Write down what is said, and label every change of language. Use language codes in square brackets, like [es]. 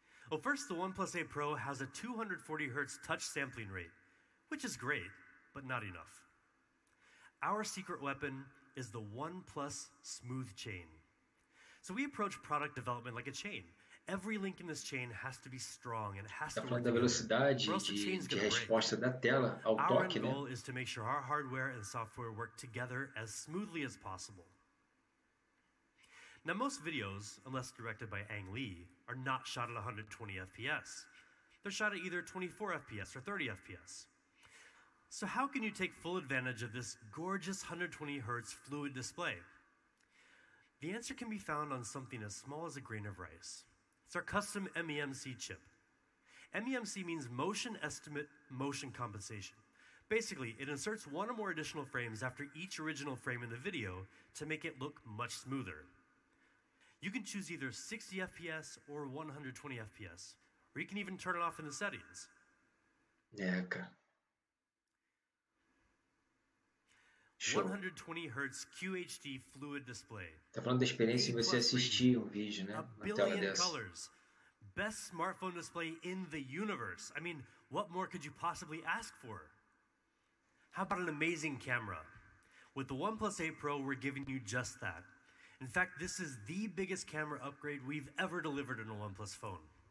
[en] Well, first, the OnePlus 8 Pro has a 240 Hz touch sampling rate, which is great, but not enough. Our secret weapon is the OnePlus smooth chain. So we approach product development like a chain. Every link in this chain has to be strong and has to work. [pt] Da velocidade de resposta da tela ao toque, né? [en] Our goal is to make sure our hardware and software work together as smoothly as possible. Now most videos, unless directed by Ang Lee, are not shot at 120 FPS. They're shot at either 24 FPS or 30 FPS. So how can you take full advantage of this gorgeous 120 hertz fluid display? The answer can be found on something as small as a grain of rice. It's our custom MEMC chip. MEMC means motion estimate motion compensation. Basically, it inserts one or more additional frames after each original frame in the video to make it look much smoother. You can choose either 60 FPS or 120 FPS, or you can even turn it off in the settings. Yeah, okay. 120 Hz QHD fluid display. [pt] Tá falando da experiência em você assistir um vídeo, né? Uma tela dessa. Colors. [en] Best smartphone display in the universe. I mean, what more could you possibly ask for? How about an amazing camera? With the OnePlus 8 Pro, we're giving you just that. In fact, this is the biggest camera upgrade we've ever delivered in a OnePlus phone.